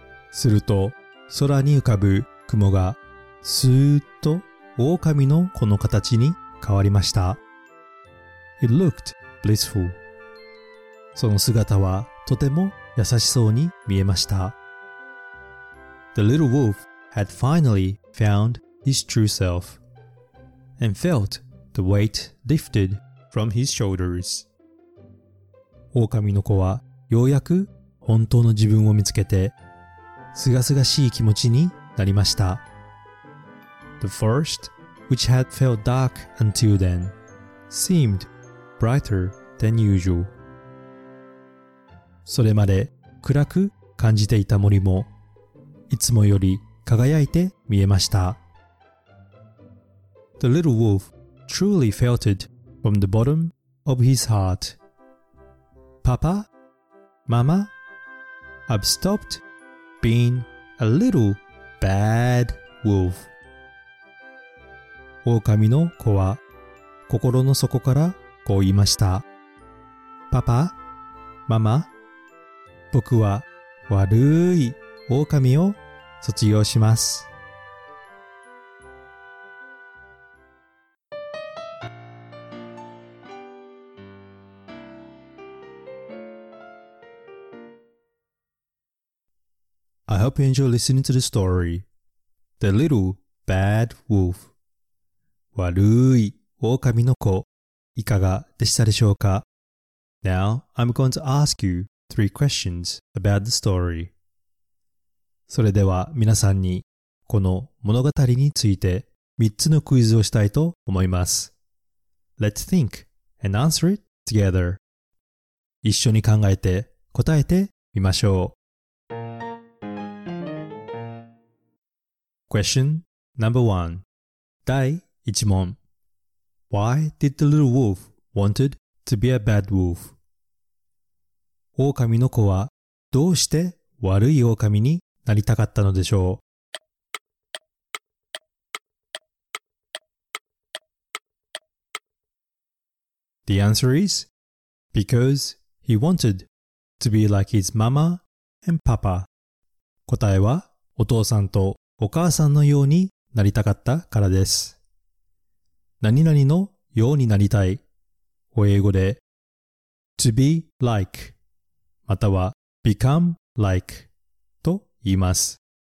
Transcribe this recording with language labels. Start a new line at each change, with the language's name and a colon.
Japanese: すると、空に浮かぶ雲がスーッと狼のこの形に変わりました。
English: It looked blissful.
Japanese: その姿はとても優しそうに見えました。
English: The little wolf had finally found his true self and felt the weight lifted from his shoulders.
Japanese: 狼の子はようやく本当の自分を見つけて、すがすがしい気持ちになりました。
English: The forest, which had felt dark until then, seemed brighter than usual.
Japanese: それまで暗く感じていた森も、いつもより輝いて見えました。
English: The little wolf truly felt it from the bottom of his heart. Papa, Mama, I've stopped being a little bad wolf.
Japanese: 狼の子は心の底からこう言いました。パパ、ママ、僕は悪い狼を卒業します。
English: I hope you enjoy listening to the story, The Little Bad Wolf.
Japanese: 悪い狼の子、いかがでしたでしょうか?
English: Now, I'm going to ask you three questions about the story.
Japanese: それでは皆さんにこの物語について3つのクイズをしたいと思います。
English: Let's think and answer it together.
Japanese: 一緒に考えて答えてみましょう。
English: Question number one.
Japanese: 第一問
English: Why did the little wolf wanted to be a bad wolf?
Japanese: 狼の子はどうして悪い狼になりたかったのでしょう?
English: The answer is because he wanted to be like his mama and papa.
Japanese: 答えはお父さんとお母さんのようになりたかったからです。何々のようになりたい。を英語で
English: To be like
Japanese: または
English: Become like
Japanese: と言います。